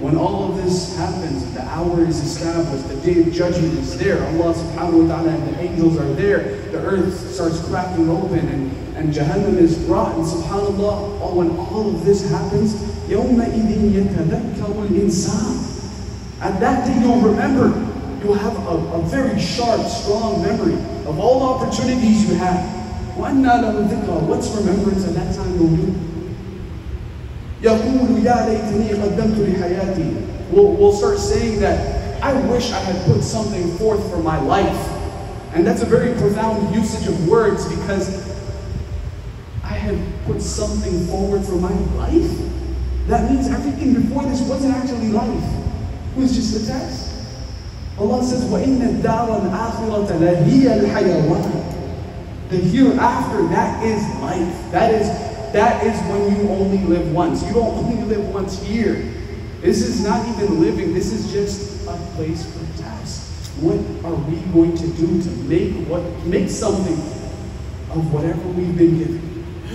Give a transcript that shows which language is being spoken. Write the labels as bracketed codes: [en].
[en] When all of this happens, the hour is established, the Day of Judgment is there, Allah subhanahu wa ta'ala and the angels are there, the earth starts cracking open and Jahannam is brought, and subhanAllah, when all of this happens, [ar] يَوْمَئِذٍ يَتَذَكَّرُ الْإِنسَانُ. [en] At that day you'll remember. You'll have a very sharp, strong memory of all the opportunities you have. What's remembrance at that time will do? [ar] يقول يا ليتني قدمت لحياتي. [en] We'll start saying that I wish I had put something forth for my life. And that's a very profound usage of words, because I had put something forward for my life? That means everything before this wasn't actually life. It was just a test. Allah says, [ar] وَإِنَّ الدَّارَ الْآخِرَةَ لَهِيَ الْحَيَوَانَ. [en] The hereafter, that is life. That is when you only live once. You don't only live once here. This is not even living. This is just a place for tasks. What are we going to do to make something of whatever we've been given?